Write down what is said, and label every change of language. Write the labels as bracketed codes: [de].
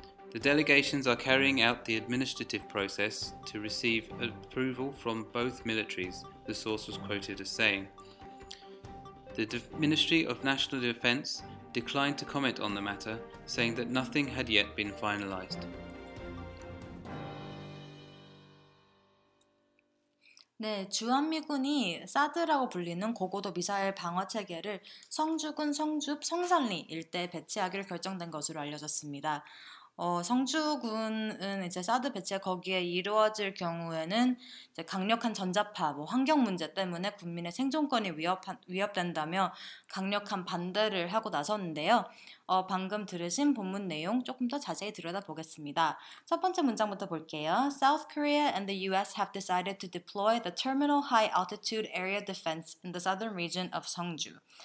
[en] The delegations are carrying out the administrative process to receive approval from both militaries, the source was quoted as saying. The Ministry of National Defense declined to comment on the matter, saying that nothing had yet been finalized. [ko] 네, 주한미군이 사드라고 불리는 고고도 미사일 방어 체계를 성주군 성줍 성산리 일대에 배치하기로 결정된 것으로 알려졌습니다. 성주군은 이제 사드 배치에 거기에 이루어질 경우에는 이제 강력한 전자파, 뭐 환경 문제 때문에 군민의 생존권이 위협된다며 강력한 반대를 하고 나섰는데요. 방금 들으신 본문 내용 조금 더 자세히 들여다보겠습니다. 첫 번째 문장부터 볼게요. [en] South Korea and the US have decided to deploy the Terminal High Altitude Area Defense in the southern region of Songju.